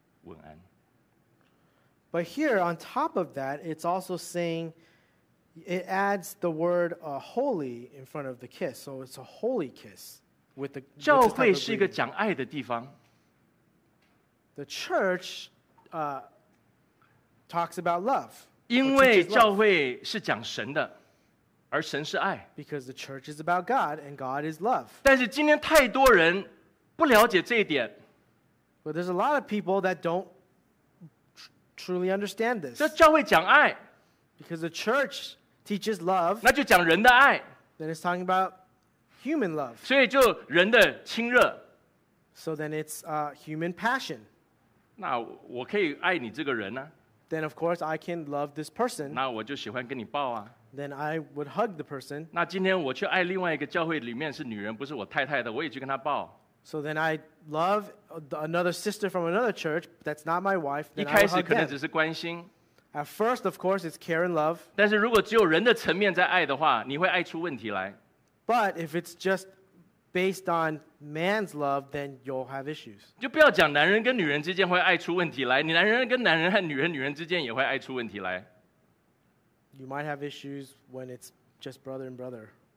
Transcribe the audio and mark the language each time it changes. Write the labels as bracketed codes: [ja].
[zh] 可是弟兄姐妹，为什么在圣经里面讲到的这个彼此用嘴亲的问安，这么亲密的这个爱的表现，它不是只是讲要彼此相亲，它是说什么？你要用圣洁的吻去问安。But [en] here on top of that, it's also saying it adds the word holy in front of the kiss, so it's a holy kiss with the. [zh] 教会是一个讲爱的地方。 [en] The church talks about love. [zh] 因为教会是讲神的，而神是爱。 [en] Because the church is about God and God is love. [zh] 但是今天太多人不了解这一点。 [en] But there's a lot of people that don't truly understand this. [zh] 这教会讲爱。 [en] Because the church teaches love. [zh] 那就讲人的爱。 [en] Then it's talking about human love. [zh] 所以就人的亲热。 [en] So then it's human passion. [zh] 那我可以爱你这个人呢？ [en] Then of course I can love this person. [zh] 那我就喜欢跟你抱啊。Then [en] I would hug the person. [zh] 那今天我去爱另外一个教会里面是女人，不是我太太的，我也去跟她抱。 [en] So then I love another sister from another church that's not my wife. [zh] 一开始可能只是关心。 [en] At first, of course, it's care and love. [zh] 但是如果只有人的层面在爱的话，你会爱出问题来。 [en] But if it's just based on man's love, then you'll have issues. [zh] 就不要讲男人跟女人之间会爱出问题来，你男人跟男人和女人，女人之间也会爱出问题来。 [en] You might have issues when it's just brother and brother.